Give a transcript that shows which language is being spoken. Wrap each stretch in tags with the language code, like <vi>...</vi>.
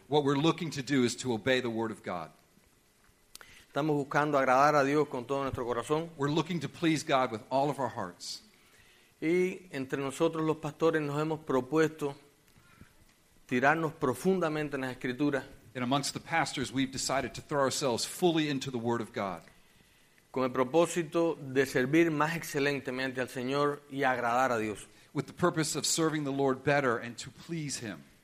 <en>What we're looking to do is to obey the word of God.</en> <es>Estamos buscando agradar a Dios con todo nuestro corazón.</es> <en>We're looking to please God with all of our hearts.</en> <es>Y entre nosotros los pastores nos hemos propuesto tirarnos profundamente en las escrituras.</es> <en>And amongst the pastors we've decided to throw ourselves fully into the word of God.</en> <es>Con el propósito de servir más excelentemente al Señor y agradar a Dios.</es> <en>With the purpose of serving the Lord better and to please Him.</en>